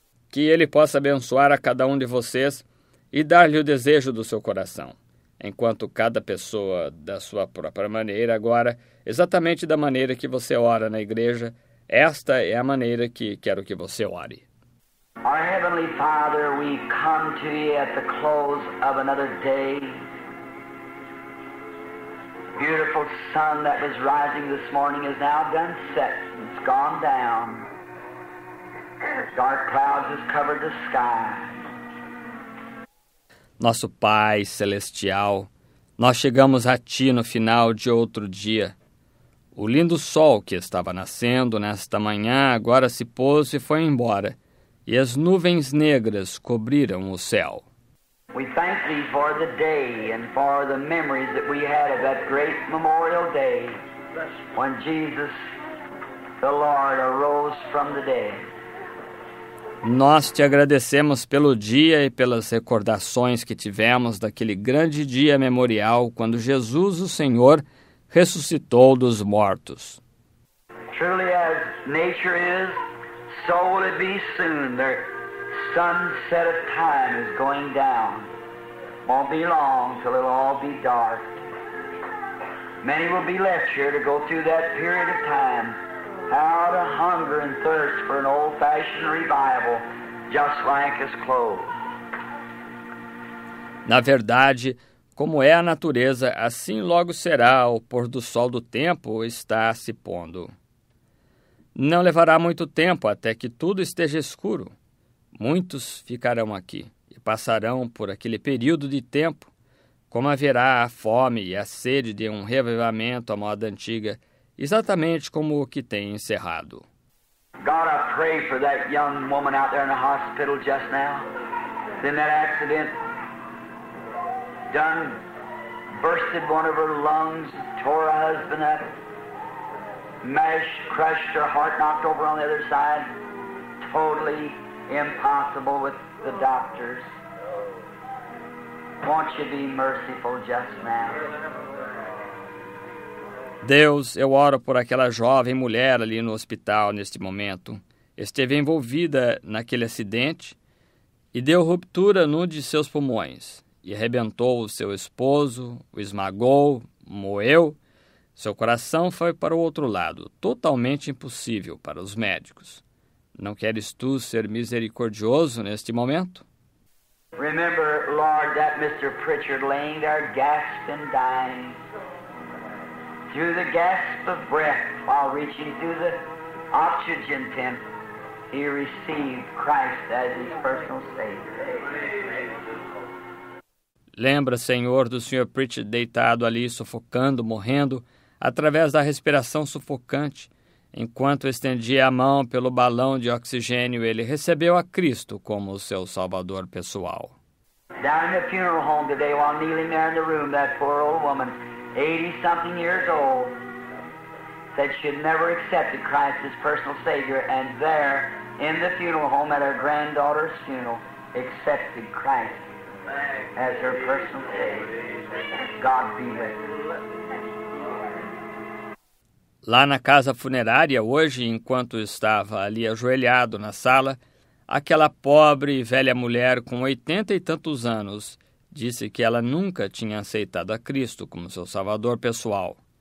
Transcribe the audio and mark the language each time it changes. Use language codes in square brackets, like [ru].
[pt] Que ele possa abençoar a cada um de vocês e dar-lhe o desejo do seu coração. enquanto cada pessoa da sua própria maneira. Agora, exatamente da maneira que você ora na igreja, esta é a maneira que quero que você ore. [en] Our Heavenly Father, we come to thee at the close of another day. Beautiful sun that was rising this morning is now done set. It's gone down. Dark clouds have covered the sky. [pt] Nosso Pai Celestial, nós chegamos a Ti no final de outro dia. O lindo sol que estava nascendo nesta manhã agora se pôs e foi embora, e as nuvens negras cobriram o céu. [en] We thank Thee for the day and for the memories that we had of that great memorial day when Jesus the Lord arose from the dead. [pt] Nós te agradecemos pelo dia e pelas recordações que tivemos daquele grande dia memorial quando Jesus, o Senhor, ressuscitou dos mortos. [en] Truly as nature is, so will it be soon. The sunset of time is going down. Won't be long till it'll all be dark. Many will be left here to go through that period of time. Out of hunger and thirst for an old-fashioned revival, just like his clothes. [pt] Na verdade, como é a natureza, assim logo será o pôr do sol do tempo está se pondo. Não levará muito tempo até que tudo esteja escuro. Muitos ficarão aqui e passarão por aquele período de tempo, como haverá a fome e a sede de um reavivamento à moda antiga, exatamente como o que tem encerrado. [en] God, I pray for that young woman out there in the hospital just now. Then that accident done bursted one of her lungs, tore her husband up, mashed, crushed her heart, knocked over on the other side. Totally impossible with the doctors. Won't you be merciful just now? [pt] Deus, eu oro por aquela jovem mulher ali no hospital neste momento. Esteve envolvida naquele acidente e deu ruptura num de seus pulmões e arrebentou o seu esposo, o esmagou, moeu. Seu coração foi para o outro lado, totalmente impossível para os médicos. Não queres tu ser misericordioso neste momento? [en] Remember, Lord, that Mr. Pritchard laying there gasping, dying. Through the gasp of breath, while reaching through the oxygen tent, he received Christ as his personal Savior. [pt] Lembra, Senhor, do Sr. Pritchard deitado ali, sufocando, morrendo, através da respiração sufocante. Enquanto estendia a mão pelo balão de oxigênio, ele recebeu a Cristo como o seu Salvador pessoal. [en] Down in the funeral home today, while kneeling there in the room, that poor old woman, 80-something years old, said she had never accepted Christ as personal Savior, and there, in the funeral home at her granddaughter's funeral, accepted Christ as her personal Savior. God be with her. [pt] Lá na casa funerária, hoje, enquanto estava ali ajoelhado na sala, aquela pobre e velha mulher com 80 e tantos anos disse que ela nunca tinha aceitado a Cristo como seu Salvador pessoal.